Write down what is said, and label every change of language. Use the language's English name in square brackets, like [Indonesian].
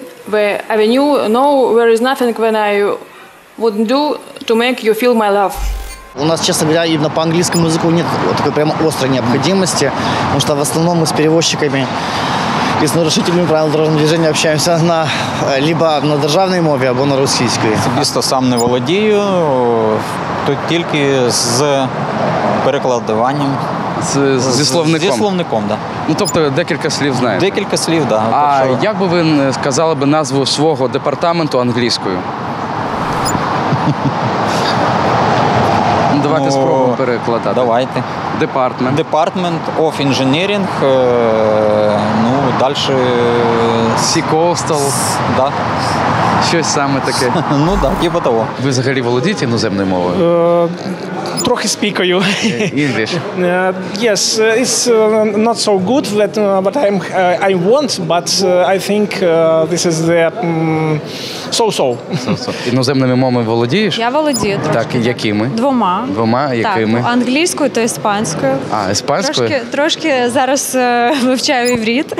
[English] The avenue, no, there is nothing when I wouldn't do to make you feel my love. [Russian] У нас, честно говоря, именно по английскому языку нет такой прямо острой необходимости, потому что в основном мы с перевозчиками и с нарушителями правил дорожного движения общаемся либо на державной мове, або на російській. [Ukrainian] Особисто сам не володію, тут тільки з перекладуванням. Зі словником? Зі словником, да. Ну, тобто, декілька слів знаєте? Декілька слів, да. А як би ви сказали би назву свого департаменту англійською? Давайте спробуємо перекладати. Давайте. [English] Департмент. Департмент of Engineering. Ну, далі... Sea Coastal. [Ukrainian] Да. Щось саме таке. Ну, так, типу того. Ви взагалі володієте іноземною мовою? Трохи спікаю. [English] English. Yes, it's not so good, but I want, but I think this is the so-so. [Ukrainian] Іноземними мовами володієш? Я володію трошки. Так, якими? Двома. Двома, якими? Так, англійською та іспанською. А, іспанською? Трошки зараз вивчаю іврит.